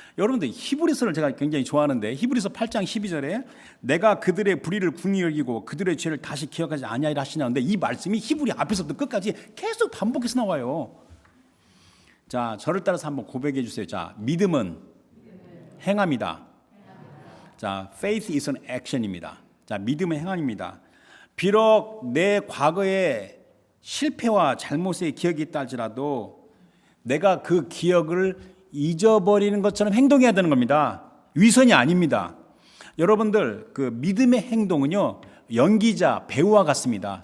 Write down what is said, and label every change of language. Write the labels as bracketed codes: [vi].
[ko] 여러분들 히브리서를 제가 굉장히 좋아하는데 히브리서 8장 12절에 내가 그들의 불의를 궁히 여기고 그들의 죄를 다시 기억하지 아니하리라 하시냐는데 이 말씀이 히브리 앞에서부터 끝까지 계속 반복해서 나와요. 자, 저를 따라서 한번 고백해 주세요. 자, 믿음은 행함이다. [en] 자, faith is an action입니다. [ko] 자, 믿음은 행함입니다. 비록 내 과거에 실패와 잘못의 기억이 있다 할지라도 내가 그 기억을 잊어버리는 것처럼 행동해야 되는 겁니다. 위선이 아닙니다. 여러분들 그 믿음의 행동은요, 연기자, 배우와 같습니다.